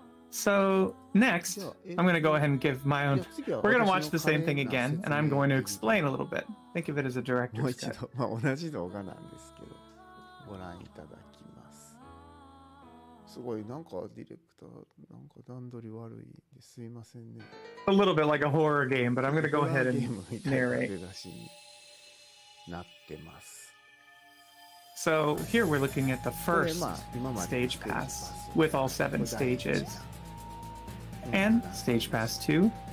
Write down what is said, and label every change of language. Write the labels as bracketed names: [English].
[English] So next, I'm going to go ahead and give my own. We're going to watch the same thing again, and I'm going to explain a little bit. Think of it as a director's cut. [Japanese] もう一度、まあ同じ動画なんですけど、ご覧いただき。すごいなんかディレクターなんか段取り悪いですいませんね。 [English] A little bit like a horror game, but I'm gonna go ahead and narrate. [Japanese] なってます。 [English] So here we're looking at the first stage pass with all 7 stages and stage pass 2.